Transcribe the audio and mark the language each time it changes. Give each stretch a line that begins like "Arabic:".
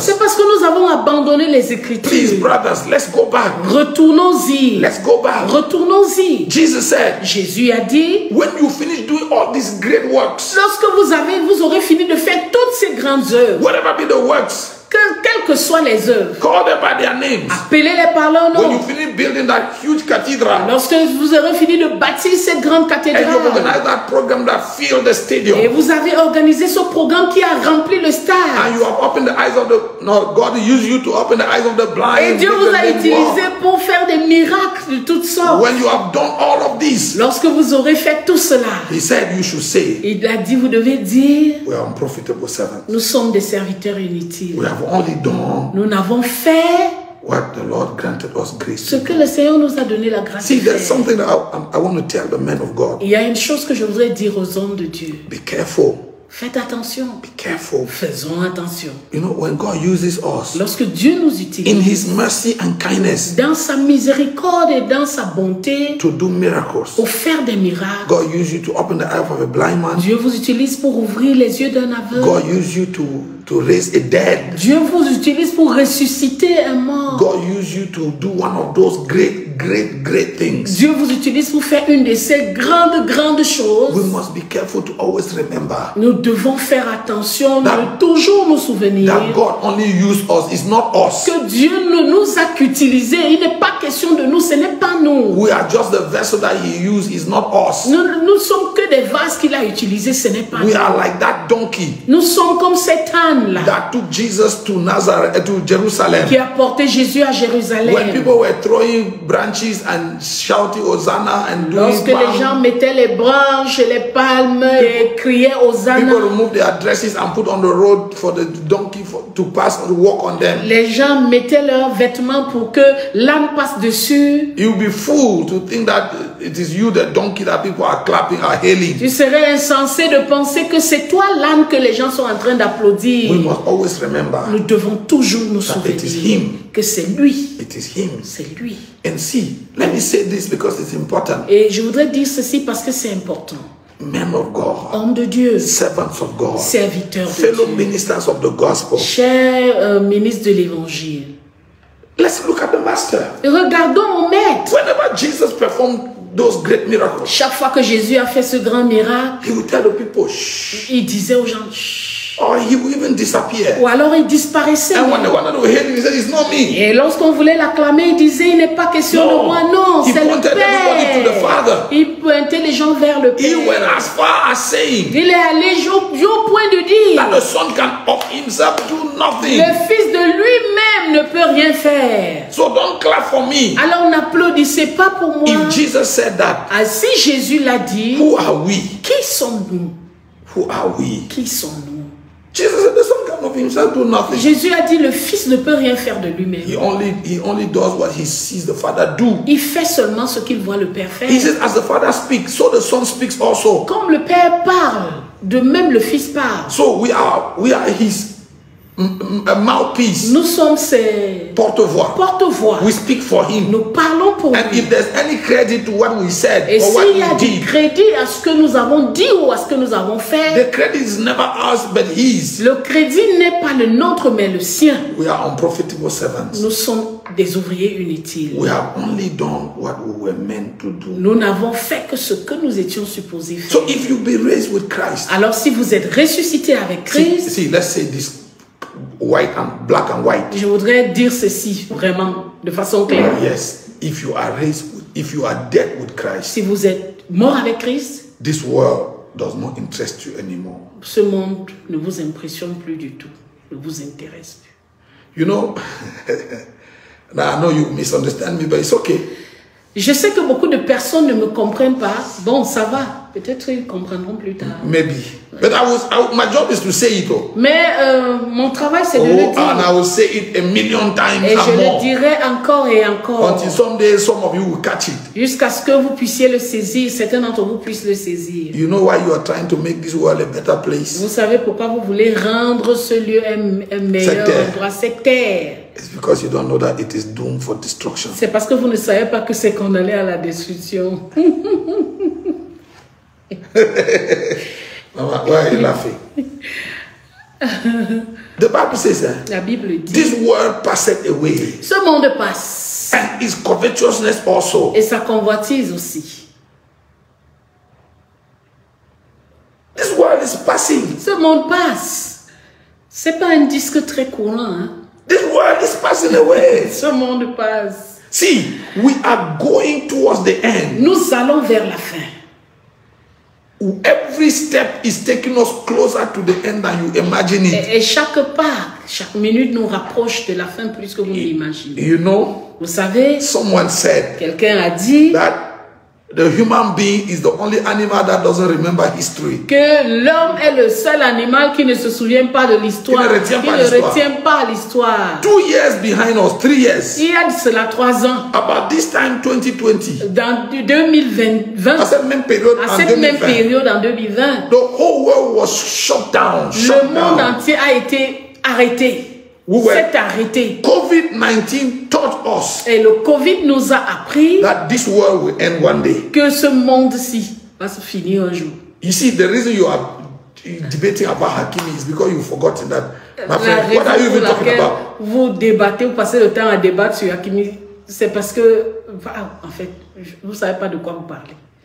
French: C'est parce que nous avons abandonné les écritures.
English: Please, brothers, let's go back.
French: Retournons-y.
English: Let's go back.
French: Retournons-y.
English: Jesus said.
French: Jésus a dit.
English: When you finish doing all these great works.
French: Lorsque vous aurez fini de faire toutes ces grandes œuvres.
English: Whatever be the works.
French: Quelles que soient les œuvres,
English: call them by their names.
French: Appelez-les par leur nom.
English: When you finish building that huge cathedral,
French: lorsque vous aurez fini de bâtir cette grande cathédrale,
English: and you organize that program that filled the stadium,
French: et vous avez organisé ce programme qui a rempli le stade,
English: and you have opened the eyes of the no, God used you to open the eyes of the blind,
French: et Dieu vous a utilisé pour faire des miracles de toutes sortes.
English: When you have done all of this,
French: lorsque vous aurez fait tout cela,
English: he said you should say,
French: il a dit vous devez dire,
English: we are unprofitable servants,
French: nous sommes des serviteurs inutiles.
English: We have only done
French: nous n'avons fait
English: what the Lord granted us grace.
French: Ce que le Seigneur nous a donné la grâce.
English: See, there's something I want to tell the men of God.
French: Il y a une chose que je voudrais dire aux hommes de Dieu.
English: Be careful.
French: Faites attention.
English: Be careful.
French: Faisons attention.
English: You know, when God uses us,
French: lorsque Dieu nous utilise,
English: in His mercy and kindness,
French: dans sa miséricorde et dans sa bonté,
English: to do miracles,
French: pour faire des miracles,
English: God uses you to open the eyes of a blind man.
French: Dieu vous utilise pour ouvrir les yeux d'un aveugle.
English: God uses you to raise a dead.
French: Dieu vous utilise pour ressusciter un mort.
English: God uses you to do one of those great great, great things.
French: Dieu vous utilise pour faire une de ces grandes, grandes choses.
English: We must be careful to always remember.
French: Nous devons faire attention de toujours nous souvenir.
English: That God only used us, it's not us.
French: Que Dieu ne nous a qu'utilisés. Il n'est pas question de nous, ce n'est pas nous.
English: We are just the vessel that He used, it's not us.
French: Nous sommes que des vases qu'il a utilisés, ce n'est pas nous.
English: We are like that donkey.
French: Nous sommes comme cet âne là.
English: That took Jesus to Nazareth, to Jerusalem.
French: Qui a porté Jésus à Jérusalem.
English: When people were throwing branches and shouting Hosanna and doing
French: lorsque les gens mettaient les branches, les palmes people, et criaient Hosanna.
English: People removed their dresses and put on the road for the donkey to pass or walk on them.
French: Les gens mettaient leurs vêtements pour que l'âne passe dessus.
English: You'd be fool to think that it is you the donkey that people are clapping or hailing.
French: Tu serais insensé de penser que c'est toi l'âne que les gens sont en train d'applaudir.
English: We must always remember.
French: Nous devons toujours nous souvenir.
English: It is him.
French: Que c'est lui.
English: It is him.
French: C'est lui.
English: And see, let me say this because it's important.
French: Et je voudrais dire ceci parce que c'est important.
English: Men of God.
French: Hommes de Dieu.
English: Servants of God.
French: Serviteurs de Dieu.
English: Fellow ministers of the gospel.
French: Chers ministres de l'évangile.
English: Let's look at the master.
French: Regardons au maître.
English: Whenever Jesus performed those great miracles.
French: Chaque fois que Jésus a fait ce grand miracle.
English: He would tell the people, shh.
French: Il disait aux gens, shh.
English: Or he would even disappear.
French: Ou alors il disparaissait.
English: And when they wanted to hear him, he said, "It's not me."
French: Et lorsqu'on voulait l'acclamer, il disait, il n'est pas question de moi, non,
English: he
French: c'est le Père.
English: Everybody to the Father.
French: Il pointait les gens vers le Père.
English: He went as far as saying,
French: il est allé jusqu'au point de dire
English: that the Son can of himself do nothing.
French: Le Fils de lui-même ne peut rien faire.
English: So don't clap for me.
French: Alors n'applaudissez pas pour moi.
English: If Jesus said that,
French: si Jésus l'a dit,
English: who are we?
French: Qui sommes-nous?
English: Who are we?
French: Qui sommes-nous?
English: Jesus said, the Son can of himself do nothing.
French: Jésus a dit le Fils ne peut rien faire de lui-même.
English: He only does what he sees the Father do.
French: Il fait seulement ce qu'il voit le Père faire.
English: He says, as the Father speaks, so the Son speaks also.
French: Comme le Père parle, de même le Fils parle.
English: So we are his mouthpiece.
French: Nous sommes ses porte-voix. Porte-voix.
English: We speak for him.
French: Nous parlons pour
English: and
French: lui.
English: And if there's any credit to what we said
French: et
English: or what we did,
French: et s'il y a crédit à ce que nous avons dit ou à ce que nous avons fait,
English: the credit is never ours but his.
French: Le crédit n'est pas le nôtre mais le sien.
English: We are unprofitable servants.
French: Nous sommes des ouvriers inutiles.
English: We have only done what we were meant to do.
French: Nous n'avons fait que ce que nous étions supposés faire.
English: So if you be raised with Christ,
French: alors si vous êtes ressuscité avec Christ,
English: see, let's say this. White and black and white.
French: Je voudrais dire ceci vraiment de façon claire.
English: Yes, if you are raised, if you are dead with Christ.
French: Si vous êtes mort avec Christ.
English: This world does not interest you anymore.
French: Ce monde ne vous impressionne plus du tout. Ne vous intéresse plus.
English: You know, now I know you misunderstand me, but it's okay.
French: Je sais que beaucoup de personnes ne me comprennent pas. Bon, ça va. Peut-être ils comprendront plus tard.
English: Maybe. But my job is to say it though.
French: Mais mon travail c'est de le dire.
English: And I will say it a million times
French: et
English: and more.
French: Et je le dirai encore et encore.
English: Until someday some of you will catch it.
French: Jusqu'à ce que vous puissiez le saisir, certains d'entre vous puissent le saisir.
English: You know why you are trying to make this world a better place?
French: Vous savez pourquoi vous voulez rendre ce lieu un meilleur endroit, cette terre.
English: It's because you don't know that it is doomed for destruction.
French: C'est parce que vous ne savez pas que c'est condamné à la destruction.
English: Mama, why are you laughing? The Bible says that.
French: La Bible dit.
English: This world passeth away.
French: Ce monde passe.
English: And its covetousness also.
French: Et sa convoitise aussi.
English: This world is passing.
French: Ce monde passe. C'est pas un disque très courant, hein?
English: This world is passing away.
French: Ce monde passe.
English: See, we are going towards the end.
French: Nous allons vers la fin.
English: Every step is taking us closer to the end than you imagine it.
French: Et chaque pas, chaque minute nous rapproche de la fin plus que vous l'imaginez.
English: You know,
French: vous savez,
English: someone said,
French: quelqu'un a dit
English: that the human being is the only animal that doesn't remember history.
French: Que l'homme est le seul animal qui ne se souvient pas de l'histoire. Il ne retient pas l'histoire.
English: 2 years behind us, 3 years.
French: Il y a cela 3 ans.
English: About this time, 2020.
French: Dans 2020. À cette même période, à cette même période en 2020.
English: The whole world was shut down.
French: Le monde entier a été arrêté. S'est arrêté.
English: COVID-19 taught us.
French: Et le COVID nous a appris
English: that this world will end one day.
French: Que ce monde-ci va se finir un jour.
English: You see, the reason you are debating about Hakimi is because you've forgotten that. My friend, what are you even talking about?
French: Vous débattez, vous passez le temps à débattre sur Hakimi. C'est parce que, en fait, vous ne savez pas de quoi vous parlez.